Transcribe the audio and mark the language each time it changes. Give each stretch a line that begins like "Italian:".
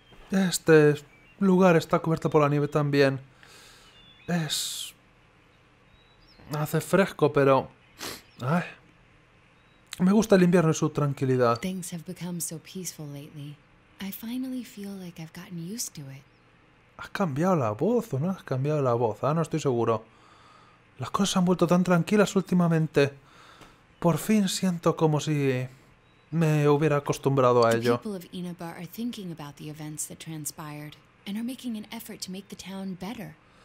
Spanish: Este lugar está cubierto por la nieve también. Es... Hace fresco, pero... Ay. Me gusta el invierno y su tranquilidad.
English: Things have become so peaceful lately. I finally feel like I've gotten used to it.
Spanish: ¿Has cambiado la voz o no has cambiado la voz? No estoy seguro. Las cosas se han vuelto tan tranquilas últimamente. Por fin siento como si me hubiera acostumbrado a ello.
English: The people of Inaba are thinking about the events that transpired and are making an effort to make the town better.